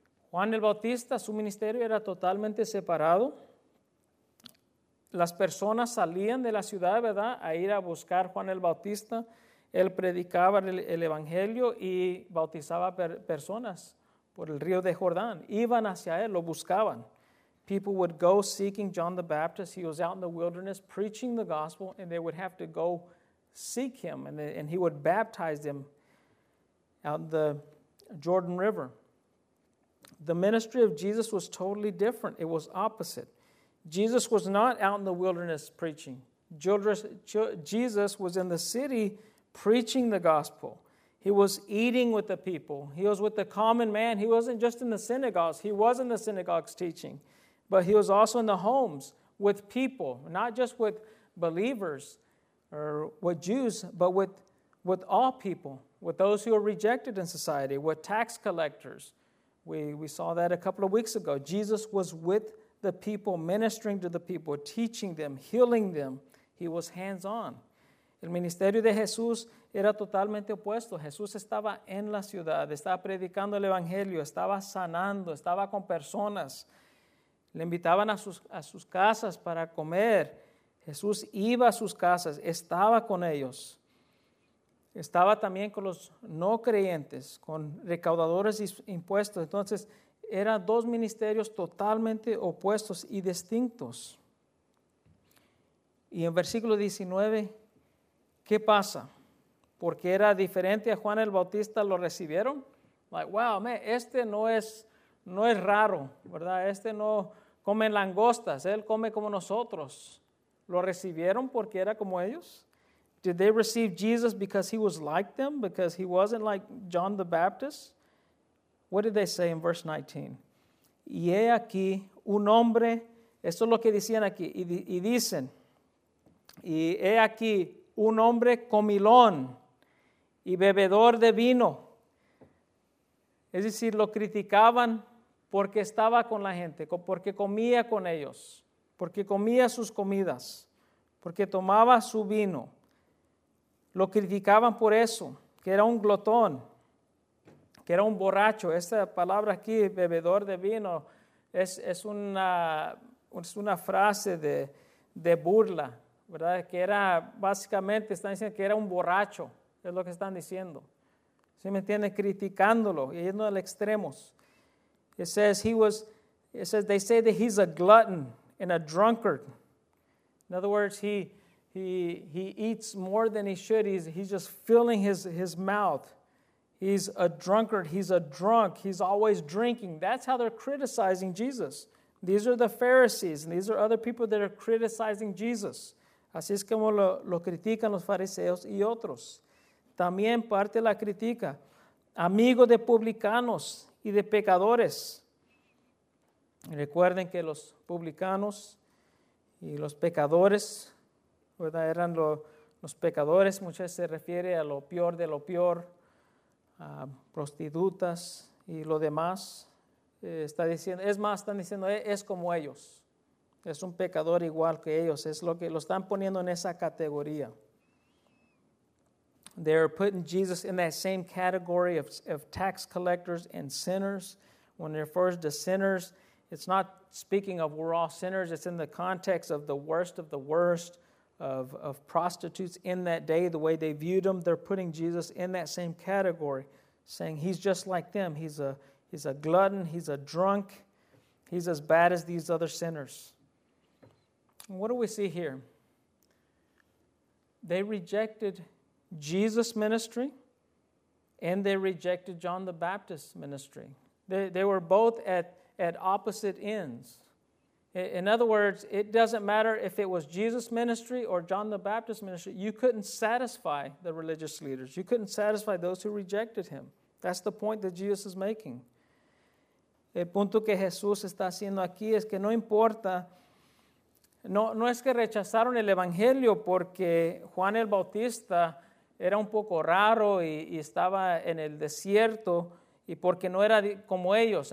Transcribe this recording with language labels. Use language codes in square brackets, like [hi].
[es] Juan el Bautista, su ministerio era totalmente separado. Las personas salían de la ciudad, ¿verdad?, a ir a buscar a Juan el Bautista. Él predicaba el Evangelio y bautizaba personas por el río de Jordán. Iban hacia él, lo buscaban. [en] People would go seeking John the Baptist. He was out in the wilderness preaching the gospel, and they would have to go seek him, and he would baptize them out in the Jordan River. The ministry of Jesus was totally different. It was opposite. Jesus was not out in the wilderness preaching. Jesus was in the city preaching the gospel. He was eating with the people. He was with the common man. He wasn't just in the synagogues. He was in the synagogues teaching. But he was also in the homes with people, not just with believers or with Jews, but with all people, with those who are rejected in society, with tax collectors. We saw that a couple of weeks ago. Jesus was with the people, ministering to the people, teaching them, healing them. He was hands-on. [es] El ministerio de Jesús era totalmente opuesto. Jesús estaba en la ciudad, estaba predicando el Evangelio, estaba sanando, estaba con personas. Le invitaban a sus casas para comer. Jesús iba a sus casas, estaba con ellos. Estaba también con los no creyentes, con recaudadores de impuestos. Entonces, eran dos ministerios totalmente opuestos y distintos. Y en versículo 19, ¿qué pasa? Porque era diferente a Juan el Bautista, ¿lo recibieron? [en] Like, wow, man, [es] este no es raro, ¿verdad? Este no come langostas, él come como nosotros. ¿Lo recibieron porque era como ellos? [en] Did they receive Jesus because he was like them, because he wasn't like John the Baptist? What did they say in verse 19? [es] Y he aquí un hombre, esto es lo que decían aquí, y dicen, y he aquí un hombre comilón y bebedor de vino. Es decir, lo criticaban porque estaba con la gente, porque comía con ellos, porque comía sus comidas, porque tomaba su vino. Lo criticaban por eso, que era un glotón, que era un borracho. Esta palabra aquí, bebedor de vino, es una frase de burla, ¿verdad? Que era, básicamente, están diciendo que era un borracho, es lo que están diciendo. ¿Sí me entienden? Criticándolo, yendo al extremo. [en] It says they say that he's a glutton and a drunkard. In other words, he eats more than he should. He's just filling his mouth. He's a drunkard. He's a drunk. He's always drinking. That's how they're criticizing Jesus. These are the Pharisees, and these are other people that are criticizing Jesus. [es] Así es como lo critican los fariseos y otros. También parte la critica, amigo de publicanos y de pecadores. Recuerden que los publicanos y los pecadores, ¿verdad? Eran los pecadores, muchas veces se refiere a lo peor de lo peor, a prostitutas y lo demás. Está diciendo, es más, están diciendo, es como ellos, es un pecador igual que ellos, es lo que lo están poniendo en esa categoría. [en] They're putting Jesus in that same category of tax collectors and sinners. When it refers to sinners, it's not speaking of we're all sinners. It's in the context of the worst of the worst of prostitutes in that day, the way they viewed them. They're putting Jesus in that same category, saying he's just like them. He's a glutton. He's a drunk. He's as bad as these other sinners. And what do we see here? They rejected Jesus' ministry, and they rejected John the Baptist's ministry. They were both at opposite ends. In other words, it doesn't matter if it was Jesus' ministry or John the Baptist's ministry. You couldn't satisfy the religious leaders. You couldn't satisfy those who rejected him. That's the point that Jesus is making. [es] El punto que Jesús está haciendo aquí es que no importa. No es que rechazaron el Evangelio porque Juan el Bautista era un poco raro y estaba en el desierto y porque no era como ellos.